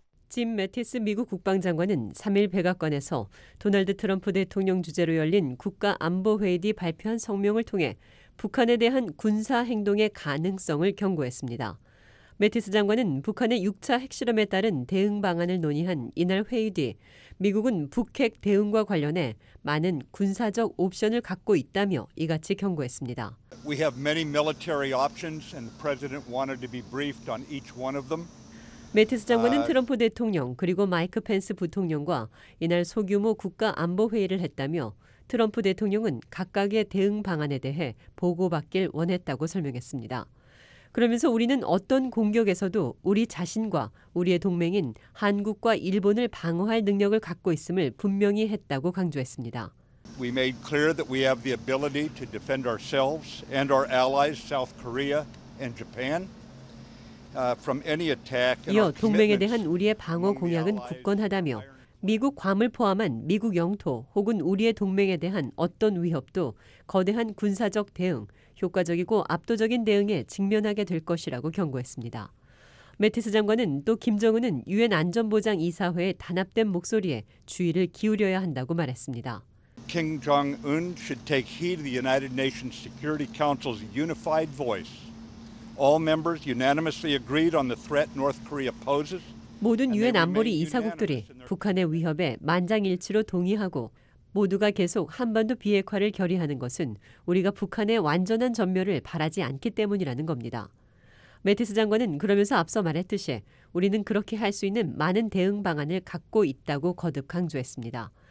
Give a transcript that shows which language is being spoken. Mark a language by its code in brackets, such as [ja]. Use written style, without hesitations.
[ko] 짐 매티스 미국 국방장관은 3일 백악관에서 도널드 트럼프 대통령 주재로 열린 국가안보회의 뒤 발표한 성명을 통해 북한에 대한 군사 행동의 가능성을 경고했습니다. 매티스 장관은 북한의 6차 핵실험에 따른 대응 방안을 논의한 이날 회의 뒤 미국은 북핵 대응과 관련해 많은 군사적 옵션을 갖고 있다며 이같이 경고했습니다. [en] We have many military options and the president wanted to be briefed on each one of them. [ko] 매티스 장관은 트럼프 대통령 그리고 마이크 펜스 부통령과 이날 소규모 국가 안보 회의를 했다며 트럼프 대통령은 각각의 대응 방안에 대해 보고받길 원했다고 설명했습니다. 그러면서 우리는 어떤 공격에서도 우리 자신과 우리의 동맹인 한국과 일본을 방어할 능력을 갖고 있음을 분명히 했다고 강조했습니다. [en] We made clear that we have the ability to defend ourselves and our allies, South Korea and Japan, from any attack. [ko] 이어 동맹에 대한 우리의 방어 공약은 굳건하다며 미국 괌을 포함한 미국 영토 혹은 우리의 동맹에 대한 어떤 위협도 거대한 군사적 대응, 효과적이고 압도적인 대응에 직면하게 될 것이라고 경고했습니다. 매티스 장관은 또 김정은은 유엔 안전보장 이사회의 단합된 목소리에 주의를 기울여야 한다고 말했습니다. [en] King Jong-un should take heed of the United Nations Security Council's unified voice. All members unanimously agreed on the threat North Korea poses. [ko] 모든 유엔 안보리 이사국들이 북한의 위협에 만장일치로 동의하고 모두가 계속 한반도 비핵화를 결의하는 것은 우리가 북한의 완전한 전멸을 바라지 않기 때문이라는 겁니다. 매티스 장관은 그러면서 앞서 말했듯이 우리는 그렇게 할 수 있는 많은 대응 방안을 갖고 있다고 거듭 강조했습니다.